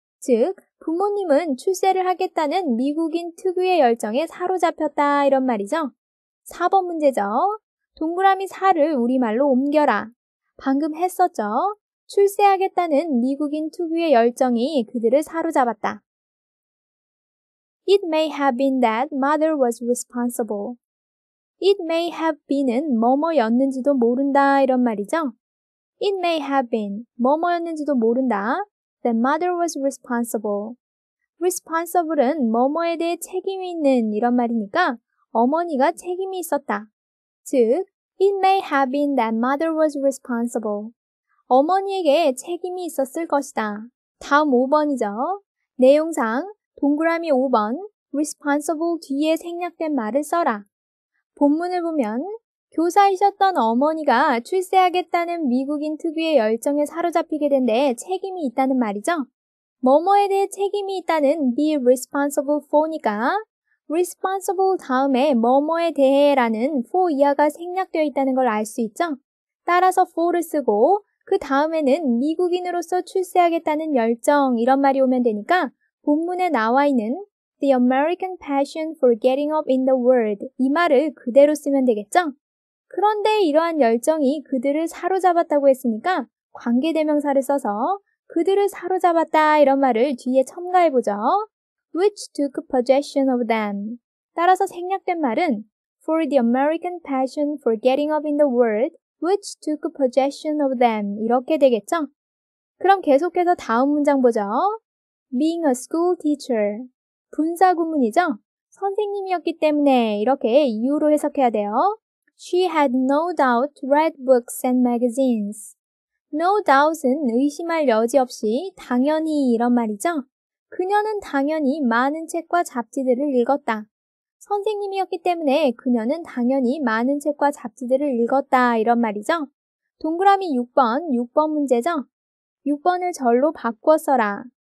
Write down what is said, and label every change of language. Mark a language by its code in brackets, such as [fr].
[ko] 즉, 부모님은 출세를 하겠다는 미국인 특유의 열정에 사로잡혔다 이런 말이죠. 4번 문제죠. 동그라미 4를 우리말로 옮겨라. 방금 했었죠. 출세하겠다는 미국인 특유의 열정이 그들을 사로잡았다. [en] It may have been that mother was responsible. It may have been [ko] 은 뭐뭐였는지도 모른다 이런 말이죠. [en] It may have been, [ko] 뭐뭐였는지도 모른다, [en] that mother was responsible. [ko] Responsible은 뭐뭐에 대해 책임이 있는 이런 말이니까 어머니가 책임이 있었다. [en] 즉, it may have been that mother was responsible. [ko] 어머니에게 책임이 있었을 것이다. 다음 5번이죠. 내용상 동그라미 5번, responsible 뒤에 생략된 말을 써라. 본문을 보면 교사이셨던 어머니가 출세하겠다는 미국인 특유의 열정에 사로잡히게 된 데 책임이 있다는 말이죠. 뭐뭐에 대해 책임이 있다는 [en] be responsible for [ko] 니까 responsible 다음에 뭐뭐에 대해라는 for 이하가 생략되어 있다는 걸 알 수 있죠. 따라서 for를 쓰고 그 다음에는 미국인으로서 출세하겠다는 열정 이런 말이 오면 되니까 본문에 나와 있는 [en] The American passion for getting up in the world. [ko] 이 말을 그대로 쓰면 되겠죠? 그런데 이러한 열정이 그들을 사로잡았다고 했으니까 관계대명사를 써서 그들을 사로잡았다 이런 말을 뒤에 첨가해보죠. [en] Which took possession of them. [ko] 따라서 생략된 말은 [en] For the American passion for getting up in the world, which took possession of them. [ko] 이렇게 되겠죠? 그럼 계속해서 다음 문장 보죠. [en] Being a school teacher. [ko] 분사 구문이죠? 선생님이었기 때문에 이렇게 이유로 해석해야 돼요. [en] She had no doubt read books and magazines. No doubt [ko] 은 의심할 여지 없이 당연히 이런 말이죠. 그녀는 당연히 많은 책과 잡지들을 읽었다. 선생님이었기 때문에 그녀는 당연히 많은 책과 잡지들을 읽었다 이런 말이죠. 동그라미 6번, 6번 문제죠. 6번을 절로 바꿔 써라.